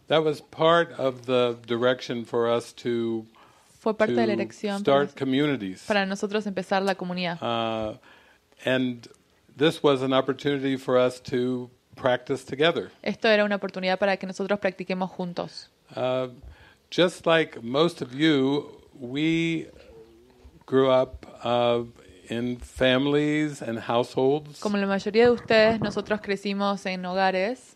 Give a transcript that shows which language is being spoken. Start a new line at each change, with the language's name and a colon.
English: That was part of the direction for us to.
Spanish: Fue parte de la elección para nosotros empezar la comunidad.
English: And this was an opportunity for us to practice together.
Spanish: Esto era una oportunidad para que nosotros practiquemos juntos.
English: just like most of you, we grew up in families and households.
Spanish: Como la mayoría de ustedes, nosotros crecimos en hogares.